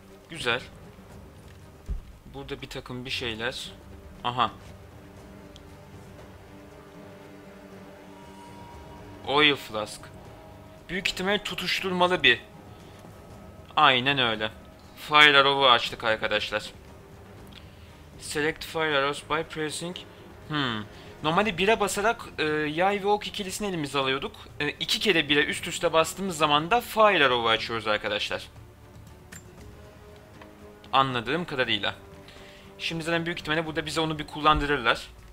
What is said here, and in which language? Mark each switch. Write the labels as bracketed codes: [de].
[tr] Güzel. Burada bir takım bir şeyler. Aha. Oil flask. Büyük ihtimal tutuşturmalı bir. Aynen öyle. Fire arrow'u açtık arkadaşlar. [en] Select fire arrows by pressing. [tr] Normalde 1'e basarak yay ve ok ikilisini elimize alıyorduk. 2 kere 1'e üst üste bastığımız zaman da fire arrow'u açıyoruz arkadaşlar. Anladığım kadarıyla. Şimdi zaten büyük ihtimalle burada bize onu bir kullandırırlar.